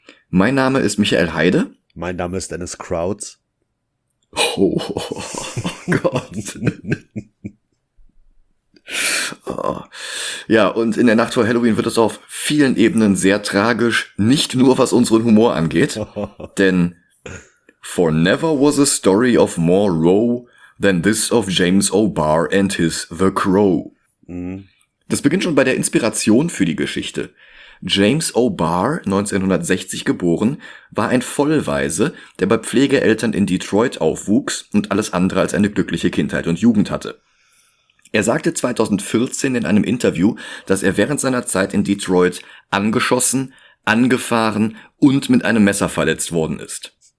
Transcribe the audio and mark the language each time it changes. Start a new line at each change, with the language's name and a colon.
German: Mein Name ist Michael Heide. Mein Name ist Dennis Krautz. Oh Gott. Ja, und in der Nacht vor Halloween wird es auf vielen Ebenen sehr tragisch. Nicht nur, was unseren Humor angeht. Denn
English: for never was a story of more woe than this of James O'Barr and his The Crow.
German: Das beginnt schon bei der Inspiration für die Geschichte. James O'Barr, 1960 geboren, war ein Vollwaise, der bei Pflegeeltern in Detroit aufwuchs und alles andere als eine glückliche Kindheit und Jugend hatte. Er sagte 2014 in einem Interview, dass er während seiner Zeit in Detroit angeschossen, angefahren und mit einem Messer verletzt worden ist.